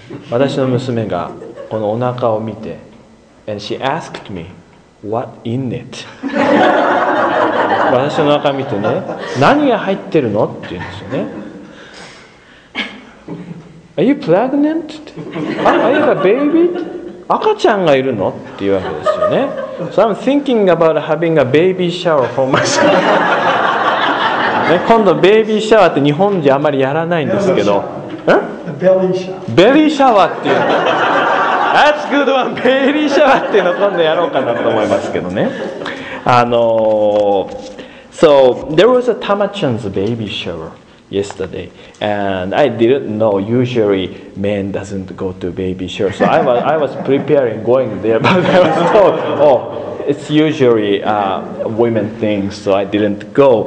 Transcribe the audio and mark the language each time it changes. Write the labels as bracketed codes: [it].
[ja] 私の娘がこのお腹を見て、 [en] And she asked me, what in it? [ja] 私のお腹見てね、何が入ってるのって言うんですよね。 [en] Are you pregnant? Are you a baby? [ja] 赤ちゃんがいるのっていうわけですよね。 [en] So I'm thinking about having a baby shower for myself. [ja] 今度ベイビーシャワーって日本人あまりやらないんですけど、ベリーシャワーっていう、 [en] That's good one! [ja] ベリーシャワーっていうの今度やろうかなと思いますけどね。 [en] So there was a Tamachan's baby showerYesterday, and I didn't know. Usually, men doesn't go to baby shower, so I was preparing going there, but I was told, oh, it's usually women thing, so I didn't go.